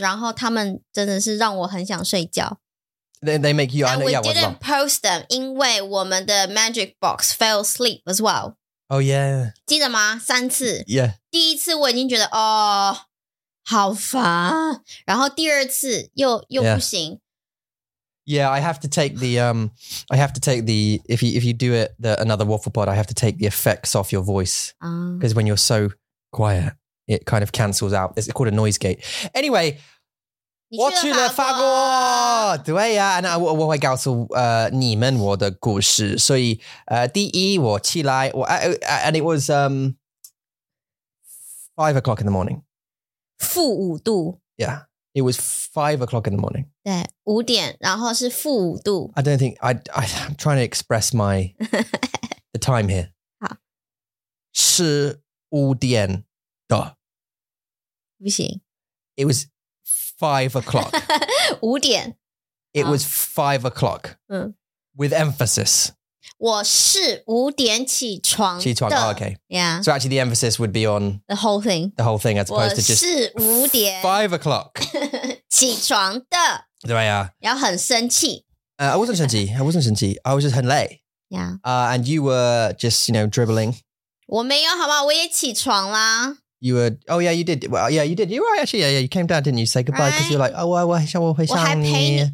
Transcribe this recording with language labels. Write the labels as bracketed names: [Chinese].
[Chinese] 然后他们真的是让我很想睡觉。 [English] They make you, I know, yeah, didn't post them, [Chinese] 因为我们的 [English] magic box fell asleep as well. Oh, yeah. [Chinese] 记得吗?三次。 [English] Yeah. [Chinese] 第一次我已经觉得,哦,好烦。然后第二次又不行。 [English] Yeah. Yeah, I have to take the, if you do it, the another waffle pod, I have to take the effects off your voice. Because when you're so quiet, it kind of cancels out. It's called a noise gate. Anyway, [Chinese] 我去了法国。对啊，那我会告诉你们我的故事。所以第一我起来我 [English] and it was 5 o'clock in the morning. [Chinese] 负五度。 [English] Yeah. It was 5 o'clock in the morning. [Chinese] 对，五点，然后是负五度。 [English] I don't think, I'm trying to express my, the time here. [Chinese] 好。是五点的。不行。 [English] It was 5 o'clock. [Chinese] 五点。 [English] It was 5 o'clock. 嗯。 With emphasis. [Chinese] 我是五点起床的。起床的、 [English] oh, okay. Yeah. So actually the emphasis would be on the whole thing. The whole thing as opposed to just [Chinese] 是五点 [English] 5 o'clock. [Chinese] 起床的。对啊。要很生气。 [English] I wasn't [Chinese] 生气. [English] I was just [Chinese] 很累。 [English] Yeah. And you were just, you know, dribbling. [Chinese] 我没有好吗我也起床啦。 [English] You were, oh yeah, you did. Well, yeah, you did. You were actually, yeah, you came down, didn't you? Say goodbye because you were like, oh, [Chinese] 我想我会想你。